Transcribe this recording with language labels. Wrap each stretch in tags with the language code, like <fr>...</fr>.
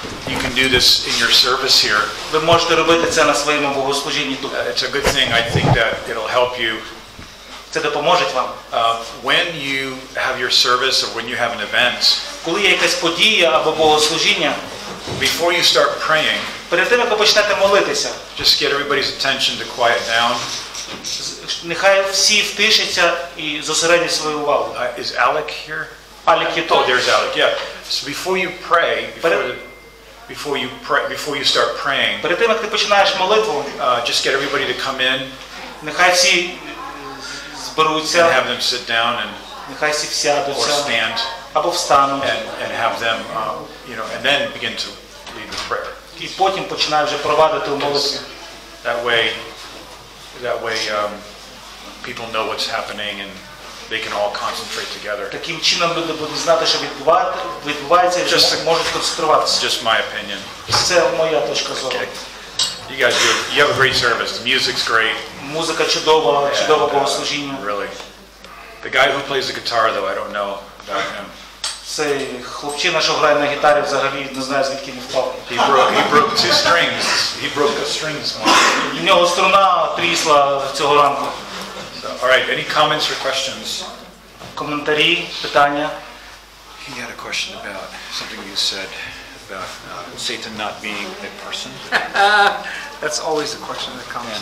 <en>you can do this in your service here.</en> <uk>Ви можете робити це на своєму богослужінні тут.</uk> <en>It's a good thing, I think, that it'll help you.</en> <uk>Це допоможе вам.</uk> <en>When you have your service or when you have an event,</en> <uk>коли є якась подія або богослужіння,</uk> <en>before you start praying,</en> <uk>перед тим, як ви почнете молитися,</uk> <en>just get everybody's attention to quiet down.</en> <uk>Нехай всі втишаться і зосередять свою увагу.</uk> <en>Is Alec here?</en> <uk>Alec є тут.</uk> <en>Oh, there's Alec, yeah. So before you pray, before you start praying,</en> <uk>перед тим, як ти починаєш молитву,</uk> <en>just get everybody to come in.</en> <uk>Нехай всі зберуться.</uk> <en>And have them sit down and</en> <uk>нехай всі сядуться.</uk> <en>Or stand.</en> <uk>Або встануть.</uk> <en>And have them, you know, and then begin to lead the prayer.</en> <uk>І потім починає вже провадити молитву.</uk> <en>That way, people know what's happening and they can all concentrate together.</en> <uk>Таким чином люди будуть знати, що відбувається, і вже можуть концентруватися.</uk> <en>Just my opinion.</en> <uk>Це моя точка зору. Okay.</uk> <en>You guys do. You have a great service. The music's great.</en> <uk>Музика чудова, чудове богослужіння.</uk> <en>Really. The guy who plays the guitar, though, I don't know about him.</en> <uk>Цей хлопчина, що грає на гітарі, взагалі не знаю, звідки він впав.</uk> <en>He broke two strings. He broke the strings.</en> <uk>У нього струна трісла цього ранку.</uk> <en>All right, any comments or questions?</en> <uk>Коментарі, питання?</uk> <en>He had a question about something you said about Satan not being a person. That's always a question that comes.</en>